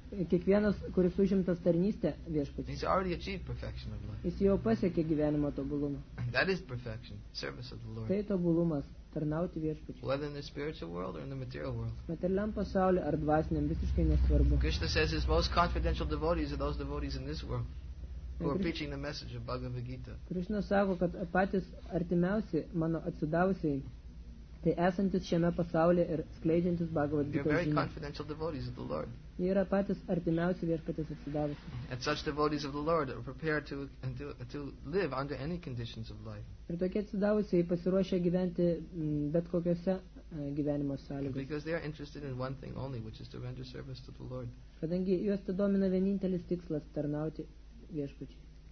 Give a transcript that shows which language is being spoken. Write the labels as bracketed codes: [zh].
[lt] kiekvienas, kuris užimtas tarnystę Viešpatį, [en] he's already achieved perfection of life. [lt] Jis jau pasiekė gyvenimo tobulumą. [en] That is perfection, service of the Lord. [lt] Tai tobulumas, tarnauti Viešpatį. [en] Whether in the spiritual world or in the material world. [lt] Materialiam pasaulį ar dvasiniam, visiškai nesvarbu. [en] Krishna says his most confidential devotees are those devotees in this world who are preaching the message of Bhagavad Gita. [lt] Krishna sako, kad patys artimiausi mano atsidavusiai, tai esantis šiame pasaulyje ir skleidžiantis Bhagavad Gita. [en] They're very confidential devotees of the Lord. [lt] Jie yra patys artimiausi Viešpaties atsidavusiai. [en] And such devotees of the Lord are prepared to live under any conditions of life. [lt] Ir tokie atsidavusiai pasiruošę gyventi bet kokiose gyvenimo sąlygose. [en] Because they are interested in one thing only, which is to render service to the Lord. [lt] Kadangi juos tai domina vienintelis tikslas, tarnauti Viešpačiui.